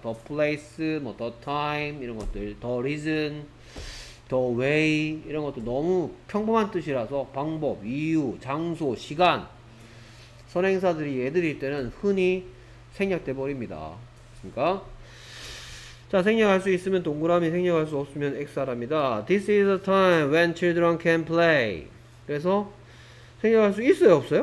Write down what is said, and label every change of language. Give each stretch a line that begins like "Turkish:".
Korean: the place, 뭐 the time 이런 것들, the reason, the way 이런 것도 너무 평범한 뜻이라서 방법, 이유, 장소, 시간 선행사들이 애들일 때는 흔히 생략돼 버립니다. 그러니까 자, 생략할 수 있으면 동그라미, 생략할 수 없으면 X라입니다.
English: This is the time when children can play.
Korean: 그래서 생략할 수 있어요, 없어요?